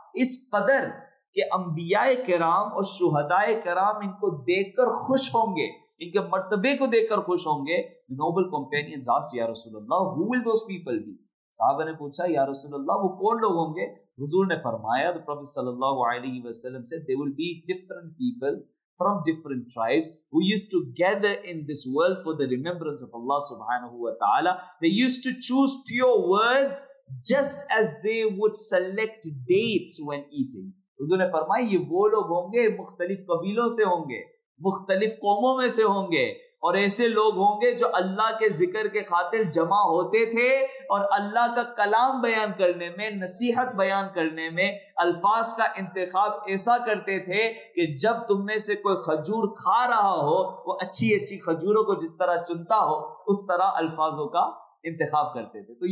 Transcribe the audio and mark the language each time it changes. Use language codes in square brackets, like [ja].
[ur] اس قدر کہ انبیاء کرام اور شہداء کرام ان کو دیکھ کر خوش ہوں گے, ان کے مرتبے کو دیکھ کر خوش ہوں گے. [en] The noble companions asked, Ya Rasulullah, who will those people be? [ur] صحابہ نے پوچھا, Ya Rasulullah, وہ کون لوگ ہوں گے؟ حضور نے فرمایا, [en] The Prophet sallallahu alaihi wasallam said, they will be different people from different tribes who used to gather in this world for the remembrance of Allah subhanahu wa ta'ala. They used to choose pure words just as they would select dates when eating. [ur] حضور نے فرمایا, یہ وہ لوگ ہوں گے مختلف قبیلوں سے ہوں گے, مختلف قوموں میں سے ہوں گے, اور ایسے لوگ ہوں گے جو اللہ کے ذکر کے خاطر جمع ہوتے تھے اور اللہ کا کلام بیان کرنے میں, نصیحت بیان کرنے میں الفاظ کا انتخاب ایسا کرتے تھے کہ جب تم میں سے کوئی کھجور کھا رہا ہو وہ اچھی اچھی کھجوروں کو جس طرح چنتا ہو اس طرح الفاظوں کا انتخاب کرتے تھے.